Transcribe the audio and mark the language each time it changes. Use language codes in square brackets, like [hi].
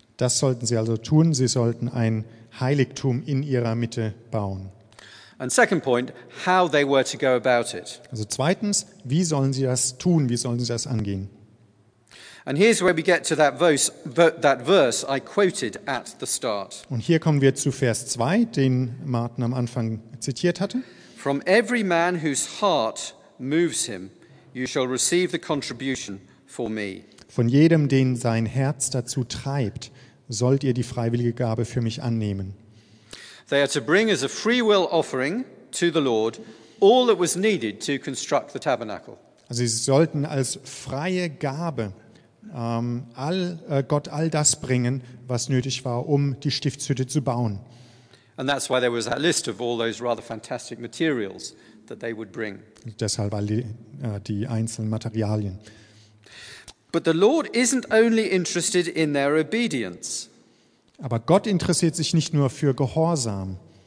[de] Das sollten sie also tun. Sie sollten ein Heiligtum in ihrer Mitte bauen. [en] And second point, how they were to go about it. [de] Also zweitens, wie sollen sie das tun? Wie sollen sie das angehen? [en] And here's where we get to that verse I quoted at the start. [de] Und hier kommen wir zu Vers 2, den Martin am Anfang zitiert hatte. [en] From every man whose heart moves him, you shall receive the contribution for me. [de] Von jedem, den sein Herz dazu treibt, sollt ihr die freiwillige Gabe für mich annehmen. [en] They are to bring as a free will offering to the Lord all that was needed to construct the tabernacle. [de] Also sie sollten als freie Gabe Gott all das bringen, was nötig war, um die Stiftshütte zu bauen. [en] And that's why there was that list of all those rather fantastic materials that they would bring. [de] Deshalb all die einzelnen Materialien. [en] But the Lord isn't only interested in their obedience. [de] Aber Gott interessiert sich nicht nur für Gehorsam.